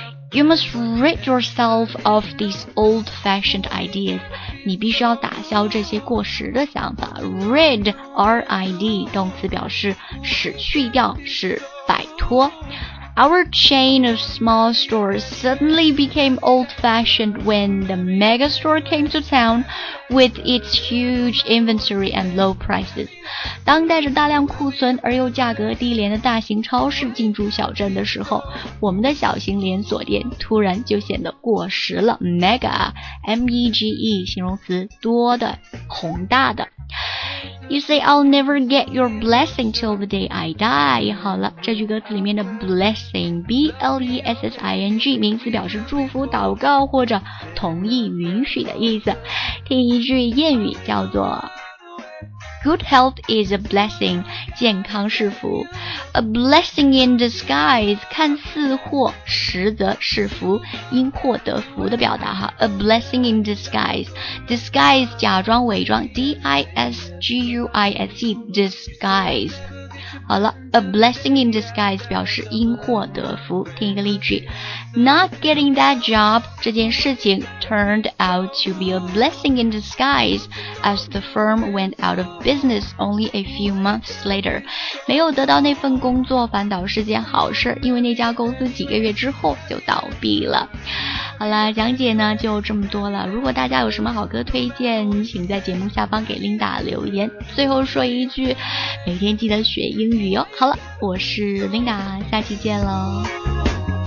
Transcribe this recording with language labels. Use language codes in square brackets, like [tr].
[en] You must rid yourself of these old-fashioned ideas， [zh] 你必须要打消这些过时的想法。 Rid, R-I-D， 动词表示使去掉、使摆脱。 [en] Our chain of small stores suddenly became old-fashioned when the mega store came to town with its huge inventory and low prices. [zh] 当带着大量库存而又价格低廉的大型超市进驻小镇的时候，我们的小型连锁店突然就显得过时了。 Mega, M-E-G-E, 形容词，多的，宏大的。 [en] You say I'll never get your blessing till the day I die. [zh] 好了，这句歌词里面的 blessing, B-L-E-S-S-I-N-G, 名词表示祝福、祷告或者同意、允许的意思。听一句谚语叫做 [en] Good health is a blessing, [zh] 健康是福。 [en] A blessing in disguise, [zh] 看似祸，实则是福，因祸得福的表达哈。 [en] A blessing in disguise, [zh] disguise, 假装伪装 D-I-S-G-U-I-S-E, disguise。好了 ,a blessing in disguise 表示因祸得福。听一个例句 [en] ,not getting that job, [zh] 这件事情 [en] turned out to be a blessing in disguise as the firm went out of business only a few months later. [zh] 没有得到那份工作反倒是件好事，因为那家公司几个月之后就倒闭了。好了，讲解呢就这么多了。如果大家有什么好歌推荐，请在节目下方给 Linda 留言。最后说一句，每天记得学英语哦。好了，我是 Linda, 下期见喽。